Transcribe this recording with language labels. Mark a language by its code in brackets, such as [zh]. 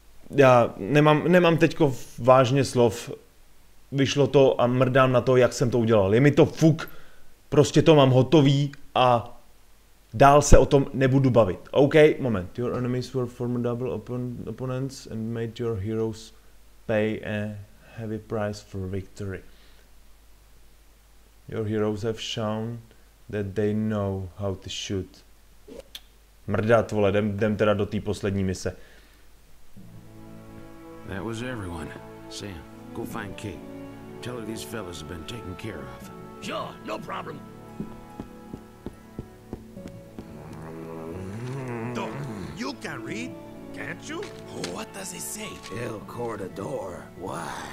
[cs] Já nemám teďko vážně slov. Vyšlo to a mrdám na to, jak jsem to udělal. Je mi to fuk, prostě to mám hotový a dál se o tom nebudu bavit. OK, moment. [en] Your enemies were formidable opponents and made your heroes pay a heavy price for victory. Your heroes have shown that they know how to shoot. [cs] Mrdat, vole, jdem teda do té poslední mise. [en] That was everyone. Sam, go find Kate. Tell her these fellas have been taken care of. Sure, no problem. Doc, you can read, can't you? What does he say? El Cortador, why?